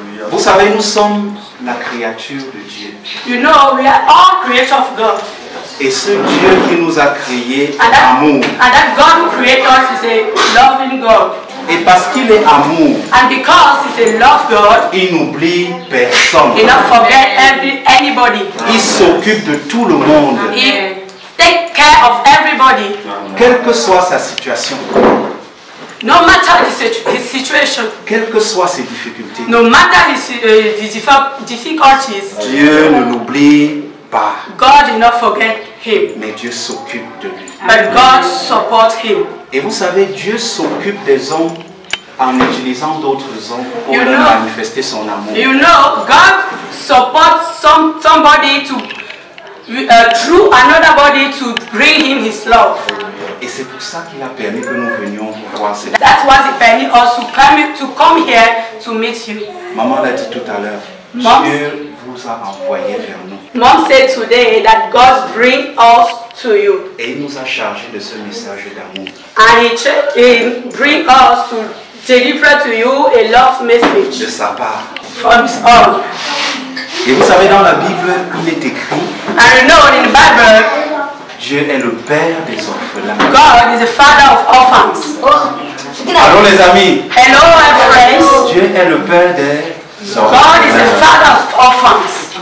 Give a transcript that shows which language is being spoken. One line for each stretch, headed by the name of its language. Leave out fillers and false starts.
French: Vous savez, nous sommes la créature de Dieu.
English: You know, we are all creation of God.
French: Et ce Dieu qui nous a créés est amour.
English: And that God who created us is a loving God.
French: Et parce qu'il est amour,
English: and because he's a love God,
French: il n'oublie personne.
English: He don't forget anybody.
French: Il s'occupe de tout le monde.
English: He take care of everybody.
French: Quelle que soit sa situation.
English: No matter his situation.
French: Quelles que soient ses difficultés.
English: No matter his difficulties.
French: Dieu ne l'oublie pas.
English: God did not forget him.
French: Mais Dieu s'occupe de lui.
English: But God support him.
French: Et vous savez, Dieu s'occupe des hommes en utilisant d'autres hommes pour leur manifester son amour.
English: You know, God supports somebody to through another body to bring him his love.
French: Et c'est pour ça qu'il a permis que nous venions voir ces.
English: That was the permit us to come here to meet you.
French: Maman l'a dit tout à l'heure. Mom, Dieu vous a envoyé vers nous.
English: Mom said today that God bring us. To you.
French: Et il nous a chargé de ce message d'amour.
English: And he bring us to deliver to you a love message.
French: De sa part.
English: From his own.
French: Et vous savez, dans la Bible, il est écrit.
English: And you know, in the Bible,
French: Dieu est le père des orphelins.
English: God is the father of orphans.
French: Allô les amis.
English: Hello my friends.
French: Dieu est le père des orphelins.
English: God is the father of orphans.